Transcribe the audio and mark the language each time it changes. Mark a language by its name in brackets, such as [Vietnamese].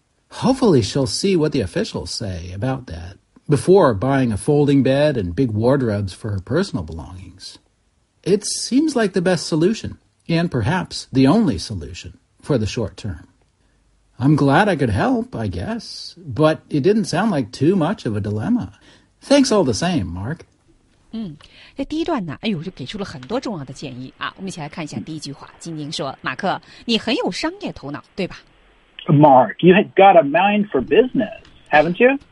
[English] Hopefully she'll see what the officials say about that before buying a folding bed and big wardrobes for her personal belongings. It seems like the best solution and perhaps the only solution. For the short term. I'm glad I could help, I guess, but it didn't sound like too much of a dilemma. Thanks all the same, Mark. [Chinese] 这第一段呢，哎呦，就给出了很多重要的建议啊。我们一起来看一下第一句话。晶晶说，马克，你很有商业头脑，对吧 [English] ？Mark, you have got a mind for business, haven't you?